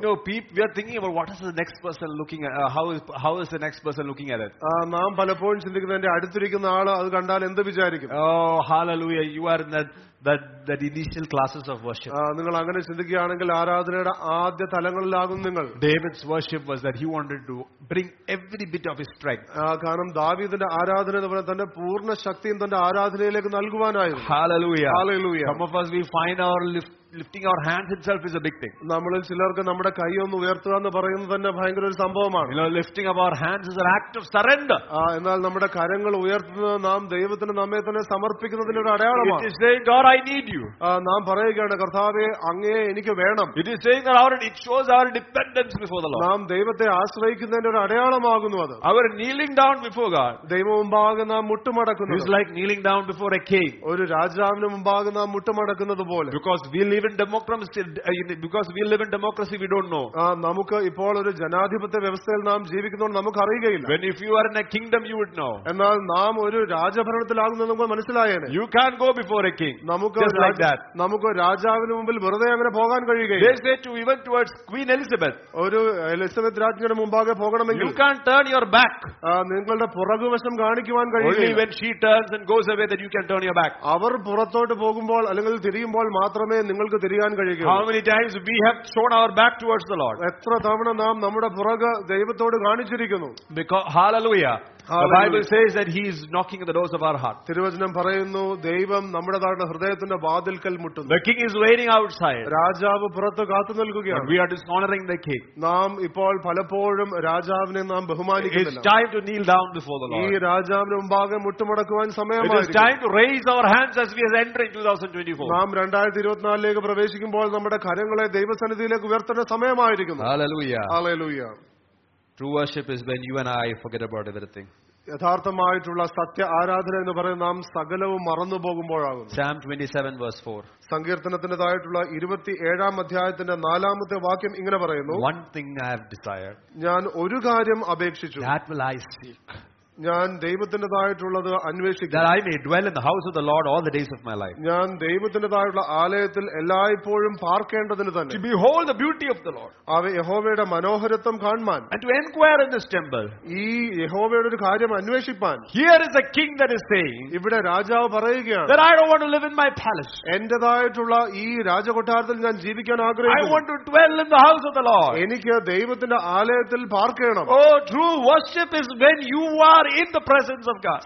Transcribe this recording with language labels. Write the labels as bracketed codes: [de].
[en] You know, people, we are thinking about what is the next person looking at, how is the next person looking at it. [ml] നാം പലപ്പോഴും ചിന്തിക്കുന്നത് എന്റെ അടുത്തിരിക്കുന്ന ആള് അത് കണ്ടാൽ എന്ത് വിചാരിക്കും. [en] Oh, hallelujah, you are in that initial classes of worship. [ml] നിങ്ങൾ അങ്ങനെ ചിന്തിക്കുകയാണെങ്കിൽ ആരാധനയുടെ ആദ്യ തലങ്ങളിലാകും നിങ്ങൾ. [en] David's worship was that he wanted to bring every bit of his strength. [ml] കാരണം ദാവീദിന്റെ ആരാധന എന്ന് പറഞ്ഞാൽ തന്റെ പൂർണ്ണ ശക്തിയും തന്റെ ആരാധനയിലേക്ക് നൽകുവാനായിരുന്നു. [en] Hallelujah. [ml] Hallelujah. [en] Some of us, we find our lifting our hands itself is a big thing. [ml] നമ്മളിൽ ചിലർക്ക് നമ്മുടെ കൈയൊന്ന് ഉയർത്തുക എന്ന് പറയുന്നത് തന്നെ ഭയങ്കര ഒരു സംഭവമാണ്. [en] You know, lifting of our hands is an act of surrender. [ml] എന്നാൽ നമ്മുടെ കരങ്ങൾ ഉയർത്തുന്നത് നാം ദൈവത്തിന് നമ്മെ തന്നെ സമർപ്പിക്കുന്നതിന് ഒരു അടയാളമാണ്. [en] It is saying, God, I need you. [ml] നാം പറയുകയാണ് കർത്താവേ അങ്ങയെ എനിക്ക് വേണം. [en] It is saying that our, it shows our dependence before the Lord. [ml] നാം ദൈവത്തെ ആശ്രയിക്കുന്നതിന് ഒരു അടയാളമാകുന്നു അത്. [en] Our kneeling down before God. [ml] ദൈവമുമ്പാകെ നാം മുട്ടുമടക്കുന്നു. [en] It is like kneeling down before a king. [ml] ഒരു രാജാവിന് മുമ്പാകെ നാം മുട്ടുമടക്കുന്നതുപോലെ. [en] Because we live in democracy, we don't know. [ml] നമുക്ക് ഇപ്പോൾ ഒരു ജനാധിപത്യ വ്യവസ്ഥയിൽ നാം ജീവിക്കുന്നതുകൊണ്ട് നമുക്ക് അറിയുകയില്ല. [en] When if you are in a kingdom, you would know. [ml] എന്നാൽ നാം ഒരു രാജഭരണത്തിലാകുന്നത് നമുക്ക് മനസ്സിലായേനെ. [en] You can't go before a king. [ml] നമുക്ക് നമുക്ക് രാജാവിന് മുമ്പിൽ വെറുതെ അങ്ങനെ പോകാൻ കഴിയുകയില്ല. [en] They say to even towards Queen Elizabeth. [ml] ഒരു എലിസബത്ത് രാജ്ഞിയുടെ മുമ്പാകെ പോകണമെങ്കിൽ. [en] You can't turn your back. [ml] നിങ്ങളുടെ പുറകുവശം കാണിക്കുവാൻ കഴിയില്ല. [en] Only when she turns and goes away that you can turn your back. [ml] അവർ പുറത്തോട്ട് പോകുമ്പോൾ അല്ലെങ്കിൽ തിരിയുമ്പോൾ മാത്രമേ നിങ്ങൾക്ക് തിരിയാൻ കഴിയും. [en] How many times we have shown our back towards the Lord? [ml] എത്ര തവണ നാം നമ്മുടെ പുറകെ ദൈവത്തോട് കാണിച്ചിരിക്കുന്നു. [en] Because, hallelujah. Bible says that he is knocking at the doors of our heart. [ml] തിരുവചനം പറയുന്നു ദൈവം നമ്മുടെ ഹൃദയത്തിന്റെ വാതിൽക്കൽ മുട്ടുന്നു. [en] The king is waiting outside. [ml] രാജാവ് പുറത്ത് കാത്തു നിൽക്കുകയാണ്. [en] We are dishonoring the king. [ml] നാം ഇപ്പോൾ പലപ്പോഴും രാജാവിനെ നാം ബഹുമാനിക്കുന്നില്ല. [en] It's time to kneel down before the Lord. [ml] ഈ രാജാവിന് മുമ്പാകെ മുട്ടുമടക്കുവാൻ സമയമായിരിക്കുന്നു. [en] It is time to raise our hands as we are entering 2024. [ml] നാം 2024 ലേക്ക് പ്രവേശിക്കുമ്പോൾ നമ്മുടെ കരങ്ങളെ ദൈവസന്നിധിയിലേക്ക് ഉയർത്തേണ്ട സമയമായിരിക്കുന്നു. [en] Hallelujah. [ml] Hallelujah. [en] True worship is when you and I forget about everything. [ml] യഥാർത്ഥമായിട്ടുള്ള സത്യ ആരാധന എന്ന് പറയുന്നത് നാം സകലവും മറന്നു പോകുമ്പോഴാകുന്നു. [en] Psalm 27 verse 4. [ml] സങ്കീർത്തനത്തിന്റെ തായിട്ടുള്ള 27-ാം അധ്യായത്തിന്റെ 4-ാമത്തെ വാക്യം ഇങ്ങനെ പറയുന്നു. [en] One thing I have desired. [ml] ഞാൻ ഒരു കാര്യം അപേക്ഷിച്ചു. [en] That will I seek. [ml] ഞാൻ ദൈവത്തിന്റേതായിട്ടുള്ളത് അന്വേഷിക്കും. [en] That I may dwell in the house of the Lord all the days of my life. [ml] ഞാൻ ദൈവത്തിന്റേതായിട്ടുള്ള ആലയത്തിൽ എല്ലായ്പ്പോഴും പാർക്കേണ്ടതിനു തന്നെ. [en] To behold the beauty of the Lord. [ml] അവ യഹോവയുടെ മനോഹരത്വം കാണാൻ. [en] And to inquire in this temple. [ml] ഈ യഹോവയുടെ ഒരു കാര്യം അന്വേഷിപ്പാൻ. [en] Here is a king that is saying. [ml] ഇവിടെ രാജാവ് പറയുകയാണ്. [en] That I don't want to live in my palace. [ml] എന്റേതായിട്ടുള്ള ഈ രാജകൊട്ടാരത്തിൽ ഞാൻ ജീവിക്കാൻ ആഗ്രഹിക്കുന്നു. [en] I want to dwell in the house of the Lord. [ml] എനിക്ക് ദൈവത്തിന്റെ ആലയത്തിൽ പാർക്കേണം. [en] Oh, true worship is when you are in the presence of God.